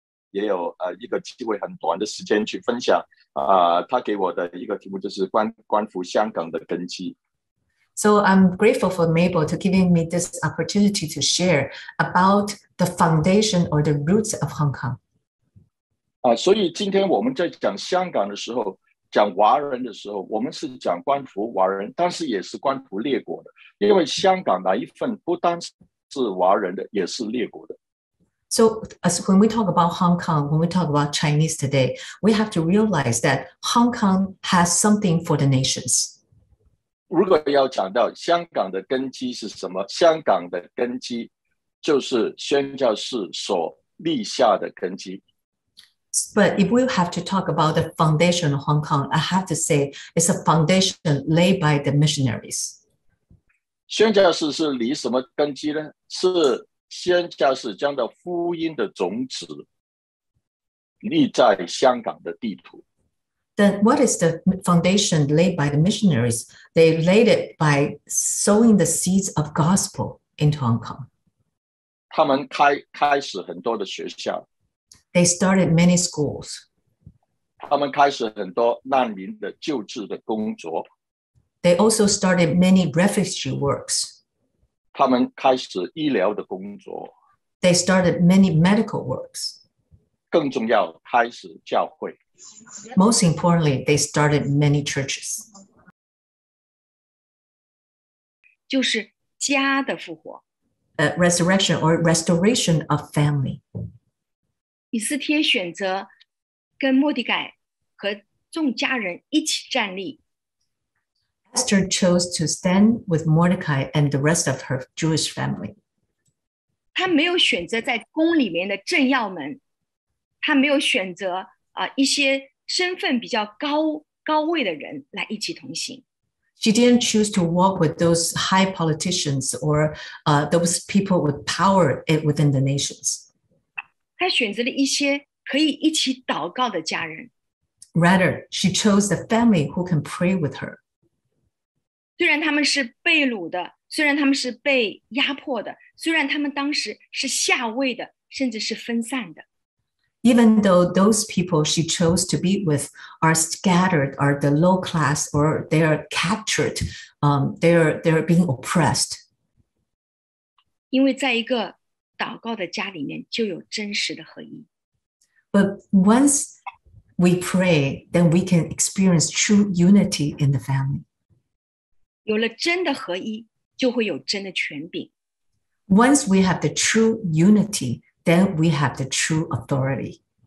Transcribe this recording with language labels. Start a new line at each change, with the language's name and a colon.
Chinese: 也有一个机会很短的时间去分享他给我的一个题目就是关乎香港的根基。
English: So I'm grateful for Mabel to giving me this opportunity to share about the foundation or the roots of Hong Kong.
Chinese: 所以今天我们在讲香港的时候，讲华人的时候，我们是讲关乎华人，但是也是关乎列国的，因为香港那一份不单是华人的，也是列国的。
English: So as when we talk about Hong Kong, when we talk about Chinese today, we have to realize that Hong Kong has something for the nations.
Chinese: 如果要讲到香港的根基是什么，香港的根基就是宣教士所立下的根基。
English: But if we have to talk about the foundation of Hong Kong, I have to say it's a foundation laid by the missionaries.
Chinese: 宣教士是立什么根基呢？是宣教士将的福音的种子立在香港的地图。
English: Then what is the foundation laid by the missionaries? They laid it by sowing the seeds of gospel into Hong Kong.
Chinese: 他们开始很多的学校。
English: They started many schools.
Chinese: 他们开始很多难民的救治的工作。
English: They also started many refugee works.
Chinese: 他们开始医疗的工作。
English: They started many medical works.
Chinese: 更重要，开始教会。
English: Most importantly, they started many churches.
Chinese: 就是家的复活。
English: A resurrection or restoration of family.
Chinese: 以斯帖选择跟莫迪改和众家人一起站立。
English: Esther chose to stand with Mordecai and the rest of her Jewish family.
Chinese: 她没有选择在宫里面的政要们，她没有选择一些身份比较高位的人来一起同行。
English: She didn't choose to walk with those high politicians or those people with power within the nations.
Chinese: 她选择了一些可以一起祷告的家人。
English: Rather, she chose the family who can pray with her.
Chinese: 虽然他们是被掳的，虽然他们是被压迫的，虽然他们当时是下位的，甚至是分散的。
English: Even though those people she chose to be with are scattered, are the low class, or they are captured, they are being oppressed.
Chinese: 因为在一个祷告的家里面就有真实的合一。
English: But once we pray, then we can experience true unity in the family.
Chinese: 有了真的合一，就会有真的权柄。
English: Once we have the true unity,Then we have the true authority.